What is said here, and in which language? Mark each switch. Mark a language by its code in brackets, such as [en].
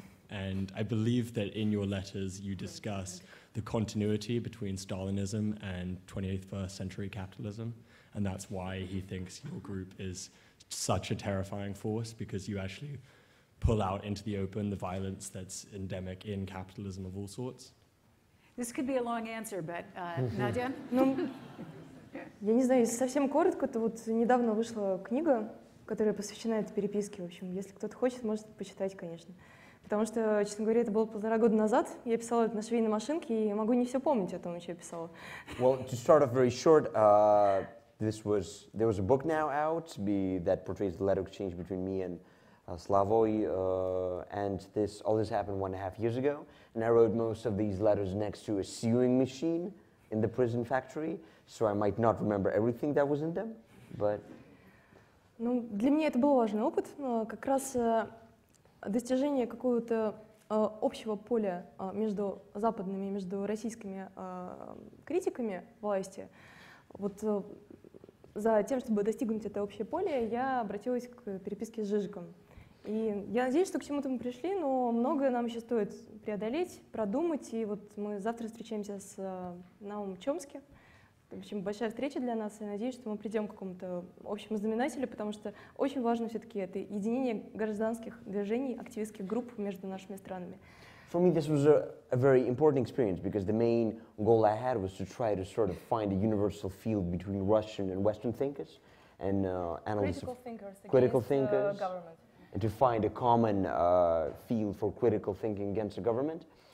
[en] And I believe that in your letters you discuss the continuity between Stalinism and 21st century capitalism, and that's why he thinks your group is such a terrifying force, because you actually pull out into the open the violence that's endemic in capitalism of all sorts. This could be a long answer, but Nadya? [ru] Ну, я не знаю, совсем коротко, то вот недавно вышла книга, которая посвящена этой переписке. В общем, если кто-то хочет, может почитать, конечно. Потому что, честно говоря, это было полтора года назад. Я писала это на швейной машинке, и могу не все помнить о том, что я писала. [en] Well, to start off very short, there was a book now out that portrays the letter exchange between me and Slavoj, and all this happened 1.5 years ago. And I wrote most of these letters next to a sewing machine in the prison factory, so I might not remember everything that was in them, but... [ru] Ну, для меня это был важный опыт, но как раз... достижение какого-то общего поля между западными и между российскими критиками власти. Вот за тем, чтобы достигнуть это общее поле, я обратилась к переписке с Жижиком. И я надеюсь, что к чему-то мы пришли, но многое нам еще стоит преодолеть, продумать. И вот мы завтра встречаемся с Наумом Чомски в Это очень большая встреча для нас, и надеюсь, что мы придем к какому-то общему знаменателю, потому что очень важно все-таки это единение гражданских движений, активистских групп между нашими странами. [en] For me, this was a very important experience because the main goal I had was to try to sort of find a universal field between Russian and Western thinkers and analysts, critical thinkers, government. And to find a common field for critical thinking against the government.